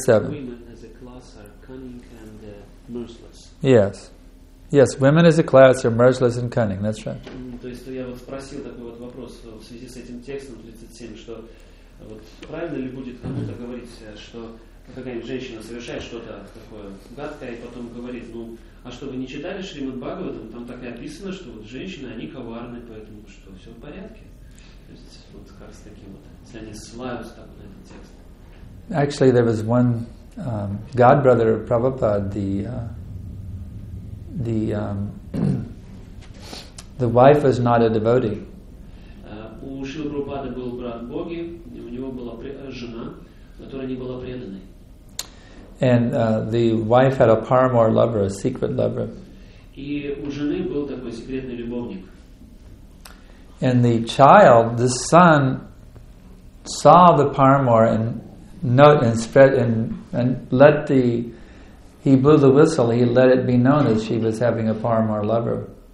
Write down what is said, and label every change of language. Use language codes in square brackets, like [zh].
[en] Women as a class are cunning and merciless. Yes. Yes, women as a class are merciless and cunning, that's right. [ru] То есть я вот спросил такой вот вопрос в связи с этим текстом 37, что вот правильно ли будет кому-то говорить, что какая-нибудь женщина совершает что-то такое гадкое и потом говорит, ну, а что вы не читали Шримад Бхагаватам, там так и описано, что вот женщины, они коварны, поэтому что, все в порядке? То есть вот как с таким вот, если они ссылаются так на этот текст. [en] Actually, there was one godbrother of Prabhupada, the wife was not a devotee. [ru] У Шрилы Прабхупады был брат Боги, у него была жена, которая не была преданной. [en] And the wife had a paramour lover, a secret lover. [ru] И у жены был такой секретный любовник. [en] And the child, the son, saw the paramour and note and spread and let the he blew the whistle, he let it be known that she was having a paramour lover.